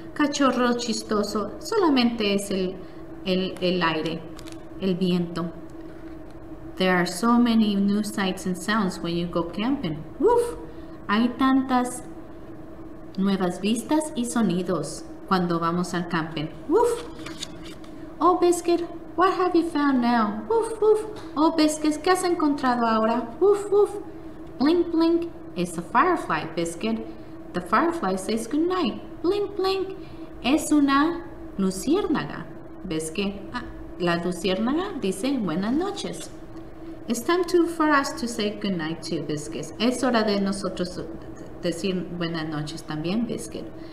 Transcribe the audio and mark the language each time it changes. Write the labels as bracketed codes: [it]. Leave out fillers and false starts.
[es] Cachorro chistoso, solamente es el aire, el viento. [en] There are so many new sights and sounds when you go camping. Woof. [es] Hay tantas nuevas vistas y sonidos cuando vamos al camping. [en] Woof. Oh, Biscuit, what have you found now? Woof, woof. [es] Oh, Biscuit, ¿qué has encontrado ahora? Woof, woof. Blink, blink. [en] It's a firefly, Biscuit. The firefly says goodnight. Blink, blink. [es] Es una luciérnaga, Biscuit. La luciérnaga dice buenas noches. [en] It's time too for us to say goodnight to Biscuit. [es] Es hora de nosotros decir buenas noches también, Biscuit.